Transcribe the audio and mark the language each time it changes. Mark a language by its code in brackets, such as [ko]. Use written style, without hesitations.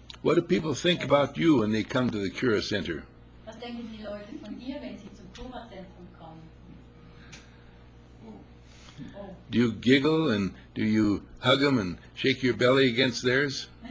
[en] What do people think about you when they come to the Cura Center? [de] Was denken die Leute von dir, wenn sie zum Cura Zentrum kommen? [en] Do you giggle and do you hug them and shake your belly against theirs?